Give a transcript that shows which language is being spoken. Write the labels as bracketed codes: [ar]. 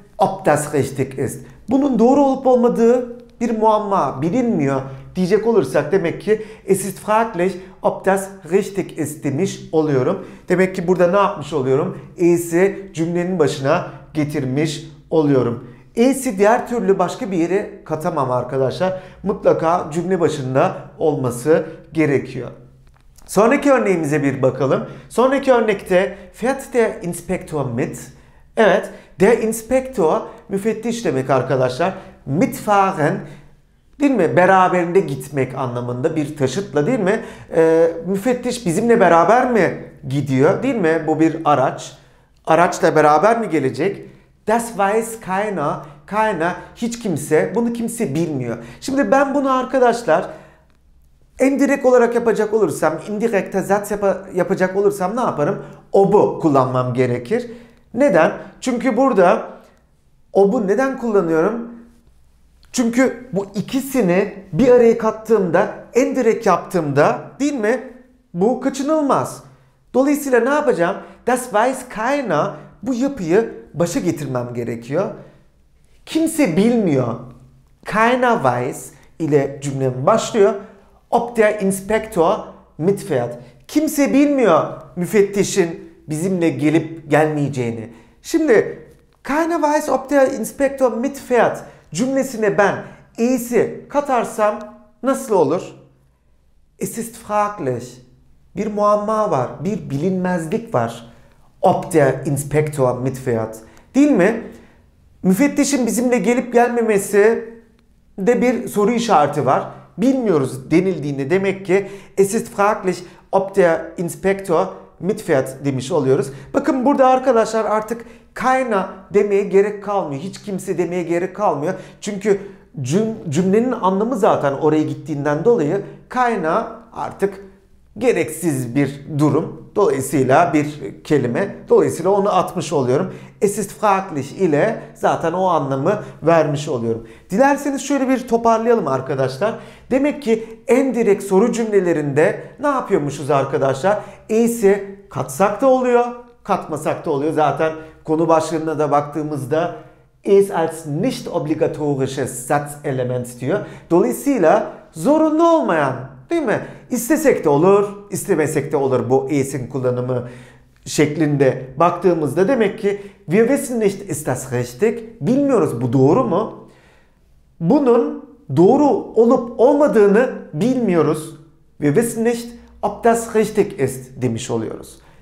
[de] Ob das richtig ist. [tr] Bunun doğru olup olmadığı bir muamma bilinmiyor diyecek olursak demek ki [de] es ist fraglich, ob das richtig ist [tr] demiş oluyorum. Demek ki burada ne yapmış oluyorum? Es'i cümlenin başına getirmiş oluyorum. Es'i diğer türlü başka bir yere katamam arkadaşlar. Mutlaka cümle başında olması gerekiyor. Sonraki örneğimize bir bakalım. Sonraki örnekte [de] fährt der Inspektor mit. [tr] Evet, der Inspektor müfettiş demek arkadaşlar. Mitfahren değil mi? Beraberinde gitmek anlamında bir taşıtla değil mi? Müfettiş bizimle beraber mi gidiyor değil mi? Bu bir araç. Araçla beraber mi gelecek? [de] Das weiß keiner. [tr] Keiner hiç kimse. Bunu kimse bilmiyor. Şimdi ben bunu arkadaşlar en direkt olarak yapacak olursam, indirekte Satz yapacak olursam ne yaparım? Ob'u kullanmam gerekir. Neden? Çünkü burada ob'u neden kullanıyorum? Çünkü bu ikisini bir araya kattığımda, en direkt yaptığımda değil mi? Bu kaçınılmaz. Dolayısıyla ne yapacağım? [de] Das weiß keiner. [tr] Bu yapıyı başa getirmem gerekiyor. Kimse bilmiyor. [de] Keiner weiß [tr] ile cümlem başlıyor. [de] Ob der Inspektor mitfährt. [tr] Kimse bilmiyor müfettişin bizimle gelip gelmeyeceğini. Şimdi [de] keiner weiß ob der Inspektor mitfährt [tr] cümlesine ben es'i katarsam nasıl olur? [de] Es ist fraglich. [tr] Bir muamma var, bir bilinmezlik var. [de] Ob der Inspektor mitfährt. [tr] Değil mi? Müfettişin bizimle gelip gelmemesi de bir soru işareti var. Bilmiyoruz denildiğinde demek ki [de] es ist fraglich ob der Inspektor mitfährt [tr] demiş oluyoruz. Bakın burada arkadaşlar artık keiner demeye gerek kalmıyor. Hiç kimse demeye gerek kalmıyor. Çünkü cümlenin anlamı zaten oraya gittiğinden dolayı keiner artık gereksiz bir durum. Dolayısıyla bir kelime. Dolayısıyla onu atmış oluyorum. [de] Es ist fraglich [tr] ile zaten o anlamı vermiş oluyorum. Dilerseniz şöyle bir toparlayalım arkadaşlar. Demek ki en direkt soru cümlelerinde ne yapıyormuşuz arkadaşlar? İyisi katsak da oluyor, katmasak da oluyor. Zaten konu başlığına da baktığımızda [de] ist als nicht obligatorisches Satzelement [tr] diyor. Dolayısıyla zorunlu olmayan, değil mi? İstesek de olur, istemesek de olur bu is'in kullanımı şeklinde baktığımızda. Demek ki [de] wir wissen nicht, ist das richtig? [tr] Bilmiyoruz, bu doğru mu? Bunun doğru olup olmadığını bilmiyoruz. [de] Wir wissen nicht, ob das richtig ist [tr] demiş oluyoruz.